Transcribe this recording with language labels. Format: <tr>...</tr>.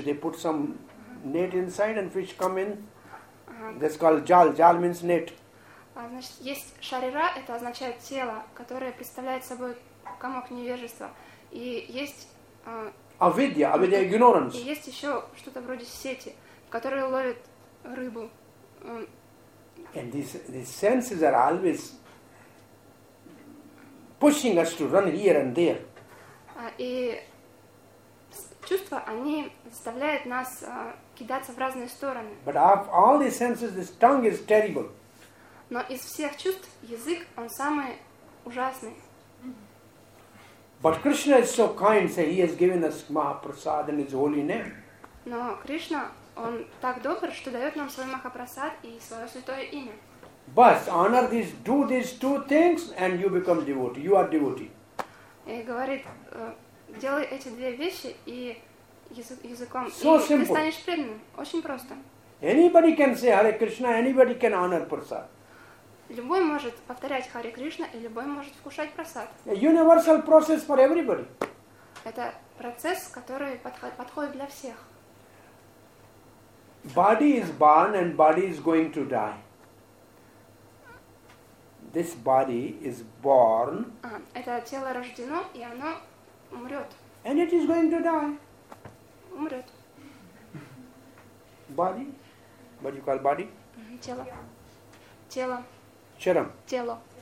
<en>They put some net inside and fish come in. That's called jal. Jal means net.</en> <ru>Значит, есть шарира, это означает тело, которое представляет собой комок невежества. И есть Авидья, ignorance. И есть еще что-то вроде сети, в которой ловят рыбу.</ru> <en>And these senses are always pushing us to run here and there.</en> <ru>И чувства, они заставляют нас кидаться в разные стороны.</ru> <en>But of all these senses, this tongue is terrible.</en> <ru>Но из всех чувств язык, он самый ужасный.</ru> <en>But Krishna is so kind, so he has given us Mahaprasad and his holy name.</en> <ru>Но Кришна, он так добр, что дает нам свой Махапрасад и свое святое имя.</ru> <en>But honor these, do these two things, and you become devotee. You are devotee.</en> <ru>И говорит, делай эти две вещи и языком,</ru> <en>so</en> <ru>и</ru> <en>simple.</en> <ru>Ты станешь преданным. Очень просто.</ru> <en>Anybody can say Hare Krishna, anybody can honor Prasad.</en> <ru>Любой может повторять Hare Krishna, и любой может вкушать Прасад.</ru> <en>A universal process for everybody.</en> <ru>Это процесс, который подходит для всех.</ru> <en>body is born and body is going to die. This body is born.</en> <ru>Это тело рождено, и оно умрет.</ru> <en>And it is going to die.</en> <ru>Умрет.</ru> <en>Body? What do you call body?</en> <ru>Тело. Тело. Чером. Тело.</ru>